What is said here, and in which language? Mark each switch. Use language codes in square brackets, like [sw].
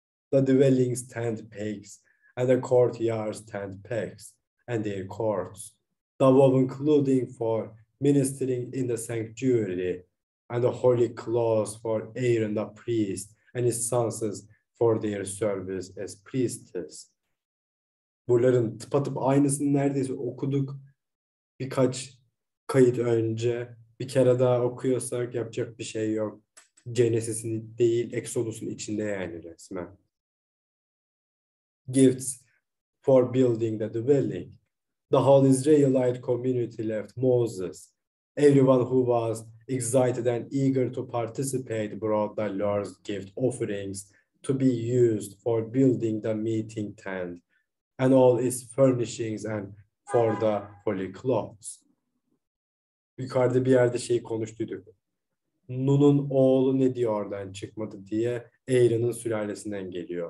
[en] the dwelling's tent pegs, and the courtyard's tent pegs, and their cords, the woven clothing for ministering in the sanctuary, and the holy clothes for Aaron the priest and his sons for their service as priests. [tr] Bunların tıpatıp aynısını neredeyse okuduk birkaç kayıt önce. Bir kere daha okuyorsak yapacak bir şey yok. Genesis'in değil, Exodus'un içinde yani resmen. [en] Gifts for building the dwelling. The whole Israelite community left Moses. Everyone who was excited and eager to participate brought the Lord's gift offerings to be used for building the meeting tent and all its furnishings and for the holy clothes. [tr] Yukarıda bir yerde şey konuştuyduk. Nun'un oğlu ne diye oradan çıkmadı diye, Aaron'ın sülalesinden geliyor.